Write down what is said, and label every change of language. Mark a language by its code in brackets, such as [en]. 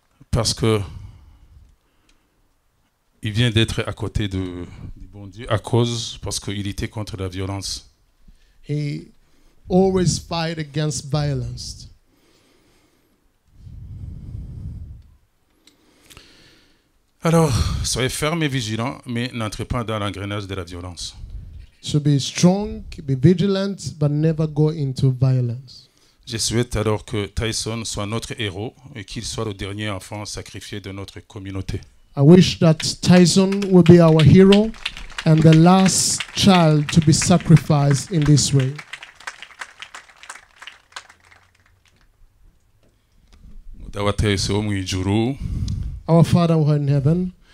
[fr] Parce que il vient d'être à côté de du bon Dieu à cause parce qu'il était contre la violence. [en] He always fight against violence. [fr] Alors, soyez ferme et vigilant, mais n'entrez pas dans l'engrenage de la violence. [en] So be strong, be vigilant, but never go into violence. [fr] Je souhaite alors que Tyson soit notre héros et qu'il soit le dernier enfant sacrifié de notre communauté. [en] I wish that Tyson will be our hero and the last child to be sacrificed in this way. Our Father who are in heaven.